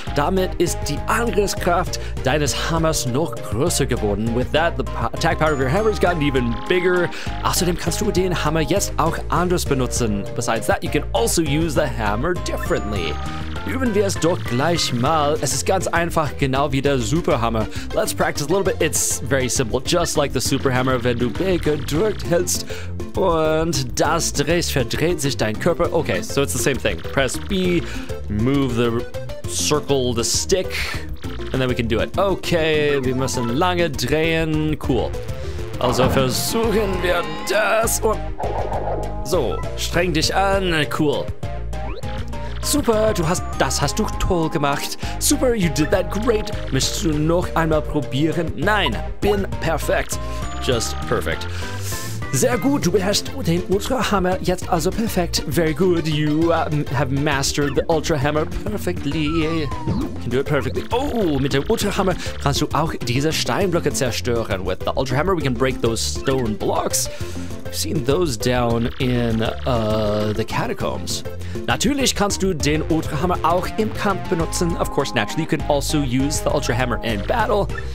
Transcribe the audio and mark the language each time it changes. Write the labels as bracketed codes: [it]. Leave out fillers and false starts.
[de] Damit ist die Angriffskraft deines Hammers noch größer geworden. [en] With that, the attack power of your hammer has gotten even bigger. [de] Außerdem kannst du den Hammer jetzt auch anders benutzen. [en] Besides that, you can also use the hammer differently. [de] Üben wir es doch gleich mal. Es ist ganz einfach, genau wie der Superhammer. [en] Let's practice a little bit. It's very simple, just like the Superhammer. [de] Wenn du B gedrückt hältst und das drehst, verdreht sich dein Körper. [en] Okay, so it's the same thing. Press B, move the circle, the stick, and then we can do it. [de] Okay, wir müssen lange drehen. Cool. Also versuchen wir das und... So, streng dich an. Cool. Super, das hast du toll gemacht. [en] Super, you did that great. [de] Möchtest du noch einmal probieren? Nein, bin perfekt. [en] Just perfect. [de] Sehr gut, du beherrschst den Ultra Hammer jetzt also perfekt. [en] Very good, you have mastered the Ultra Hammer perfectly. Can do it perfectly. [de] Oh, mit dem Ultra Hammer kannst du auch diese Steinblöcke zerstören. [en] With the Ultra Hammer, we can break those stone blocks. Seen those down in the catacombs. [de] Natürlich kannst du den Ultra Hammer auch im Kampf benutzen. [en] Of course, naturally, you can also use the Ultra Hammer in battle.